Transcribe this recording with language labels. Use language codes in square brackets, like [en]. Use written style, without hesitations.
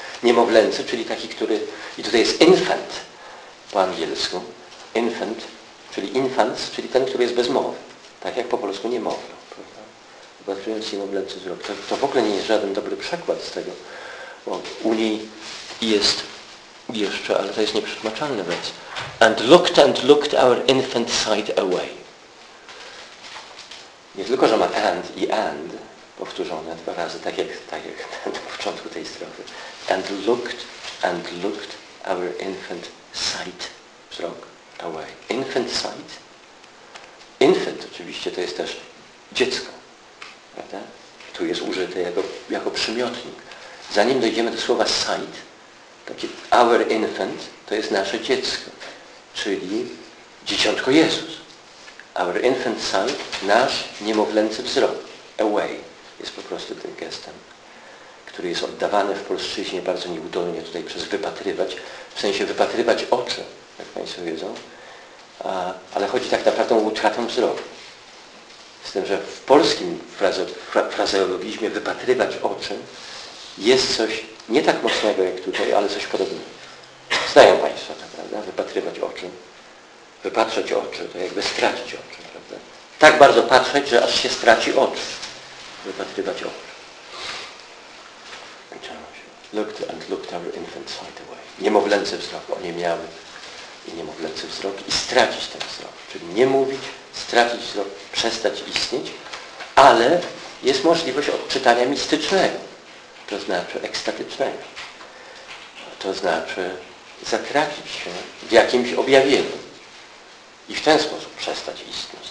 [pl] Niemowlęcy, czyli taki, który, i tutaj jest infant po angielsku, infant, czyli infants, czyli ten, który jest bez mowy, tak jak po polsku niemowlę. Wypatrując niemowlęcy wzrok. To w ogóle nie jest żaden dobry przykład z tego, bo u niej jest jeszcze, ale to jest nieprzetłumaczalny wers. [en] And looked our infant sight away. Nie tylko, że ma and powtórzone dwa razy, tak jak na początku tej strofy. And looked our infant sight wzrok away. Infant sight. [pl] Infant oczywiście to jest też dziecko. Prawda? Tu jest użyte jako przymiotnik. Zanim dojdziemy do słowa sight, takie [en] our infant [pl] to jest nasze dziecko, czyli dzieciątko Jezus. [en] Our infant sight, [pl] nasz niemowlęcy wzrok, away, jest po prostu tym gestem, który jest oddawany w polszczyźnie bardzo nieudolnie tutaj przez wypatrywać, w sensie wypatrywać oczy, jak Państwo wiedzą, ale chodzi tak naprawdę o utratę wzroku. Z tym, że w polskim frazeologizmie wypatrywać oczy jest coś nie tak mocnego jak tutaj, ale coś podobnego. Znają Państwo to, prawda? Wypatrywać oczy. Wypatrzeć oczy, to jakby stracić oczy, prawda? Tak bardzo patrzeć, że aż się straci oczy. Wypatrywać oczy. [en] Looked and looked our infant sight away. [pl] Niemowlęcy wzrok, oni miały i niemowlęcy wzrok i stracić ten wzrok. Czyli nie mówić, stracić wzrok, przestać istnieć, ale jest możliwość odczytania mistycznego, to znaczy ekstatycznego. To znaczy zatracić się w jakimś objawieniu i w ten sposób przestać istnieć.